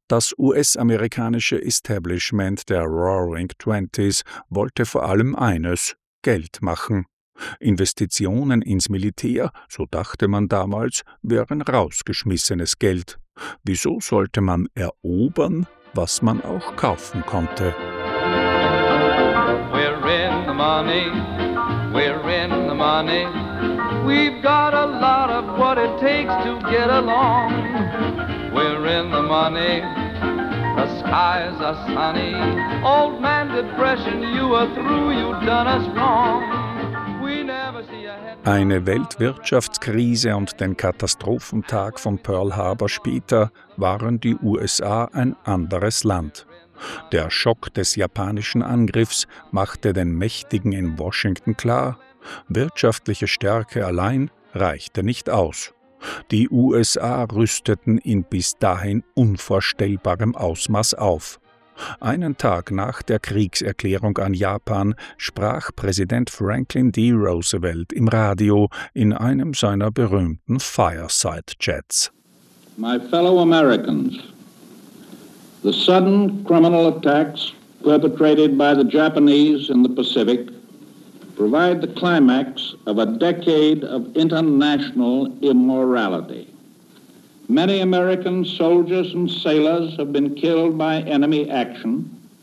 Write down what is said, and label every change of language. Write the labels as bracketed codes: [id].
[de] Das US-amerikanische Establishment der Roaring Twenties wollte vor allem eines: Geld machen. Investitionen ins Militär, so dachte man damals, wären rausgeschmissenes Geld. Wieso sollte man erobern, was man auch kaufen konnte? [en] We're in the money, we're in the money. We've got a lot of what it takes to get along. We're in the money, the skies are sunny. Old man depression, you are through, you done us wrong. We never see ahead. [de] Eine Weltwirtschaftskrise und den Katastrophentag von Pearl Harbor später waren die USA ein anderes Land. Der Schock des japanischen Angriffs machte den Mächtigen in Washington klar: Wirtschaftliche Stärke allein reichte nicht aus. Die USA rüsteten in bis dahin unvorstellbarem Ausmaß auf. Einen Tag nach der Kriegserklärung an Japan sprach Präsident Franklin D. Roosevelt im Radio in einem seiner berühmten Fireside-Chats. [en] My fellow Americans, the sudden criminal attacks perpetrated by the Japanese in the Pacific provide the climax of a decade of international immorality. Many American soldiers and sailors have been killed by enemy action.